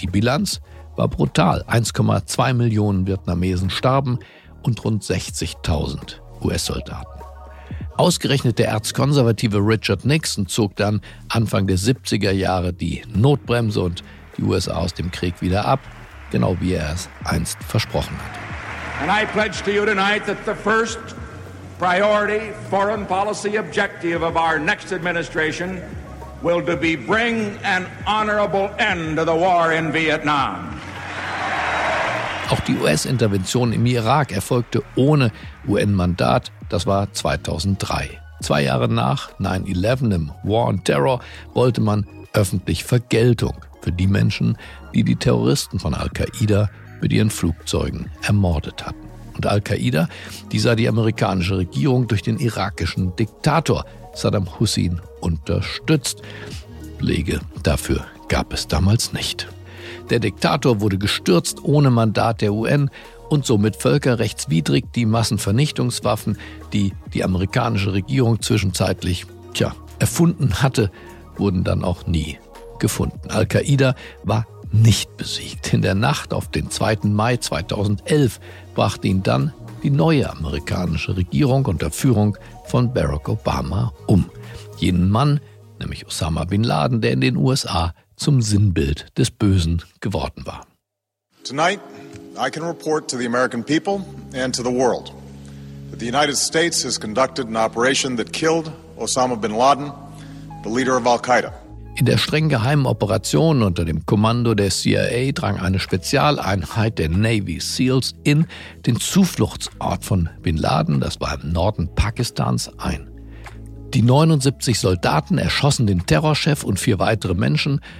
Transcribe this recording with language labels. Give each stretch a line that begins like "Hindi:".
German: Die Bilanz war brutal. 1,2 Millionen Vietnamesen starben und rund 60.000 US-Soldaten. Ausgerechnet der erzkonservative Richard Nixon zog dann Anfang der 70er Jahre die Notbremse und die USA aus dem Krieg wieder ab, genau wie er es einst versprochen hatte.
English: And I pledge to you tonight that the first priority foreign policy objective of our next administration will to be bring an honorable end to the war in Vietnam.
German: Auch die US-Intervention im Irak erfolgte ohne UN-Mandat. Das war 2003. Zwei Jahre nach 9/11 im War on Terror wollte man öffentlich Vergeltung für die Menschen, die die Terroristen von Al-Qaida mit ihren Flugzeugen ermordet hatten. Und Al-Qaida, die sah die amerikanische Regierung durch den irakischen Diktator Saddam Hussein unterstützt. Belege dafür gab es damals nicht. Der Diktator wurde gestürzt ohne Mandat der UN und somit völkerrechtswidrig die Massenvernichtungswaffen, die die amerikanische Regierung zwischenzeitlich erfunden hatte, wurden dann auch nie gefunden. Al-Qaida war nicht besiegt. In der Nacht auf den 2. Mai 2011 brachte ihn dann die neue amerikanische Regierung unter Führung von Barack Obama um. Jenen Mann, nämlich Osama bin Laden, der in den USA zum Sinnbild des Bösen geworden war.
English: Tonight I can report to the American people and to the world that the United States has conducted an operation that killed Osama bin Laden, the leader of Al-Qaida.
German: In der streng geheimen Operation unter dem Kommando der CIA drang eine Spezialeinheit der Navy SEALs in den Zufluchtsort von Bin Laden, das war im Norden Pakistans, ein. Die 79 Soldaten erschossen den Terrorchef und 4 weitere Menschen.